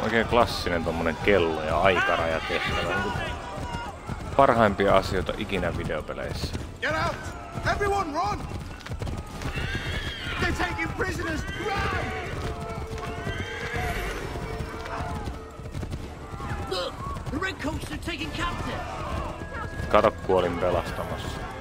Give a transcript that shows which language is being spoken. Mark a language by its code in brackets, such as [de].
[fi] Klassinen tommonen kello ja aikaraja tehtävä. Parhaimpia asioita ikinä videopeleissä. [en] Get out! Everyone run! They're taking prisoners! Run! The Redcoats are taking captive! [fi] Kato, kuolin pelastamassa.